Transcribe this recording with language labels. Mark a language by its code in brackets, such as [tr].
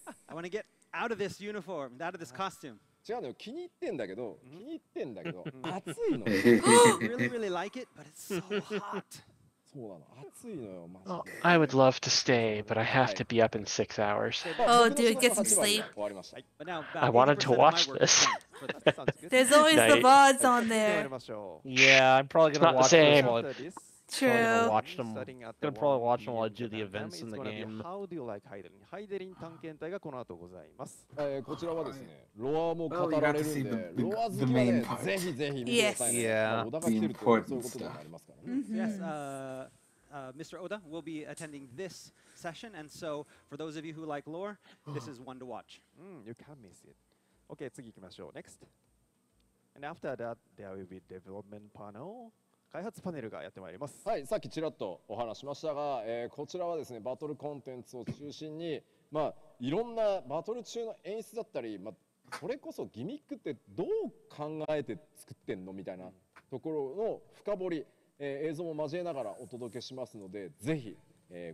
[en] I want to get out of this uniform, out of this costume. [ja] 違うのよ、気に入ってんだけど、気に入ってんだけど、暑いの。 [en] Really, really like it, but it's so hot. [ja] そうなの、暑いのよ、マジで。 [en] Oh, I would love to stay, but I have to be up in 6 hours. Oh, dude, get some sleep. I wanted to watch this. There's always the VODs on there. Yeah, I'm probably gonna watch them while I do the events in the game. True. Gonna probably watch them while I do the events in the game. How do you like Haydn? [ja] Haydn 探検隊がこの後ございます。こちらはですね。ロアも語られるんで、ロア好きはね、ぜひぜひ見てください。 [en] Yeah, the important stuff. Yes, Mr. Oda will be attending this session, and so for those of you who like lore, this is one to watch. You can't miss it. Okay, [ja] 次行きましょう。 [en] Next. And after that, there will be development panel. [ja] 開発パネルがやってまいります。はい、さっきちらっとお話しましたが、こちらはですね、バトルコンテンツを中心に、まあいろんなバトル中の演出だったり、まあそれこそギミックってどう考えて作ってんのみたいなところの深掘り、映像も交えながらお届けしますので、ぜひ、ご覧ください。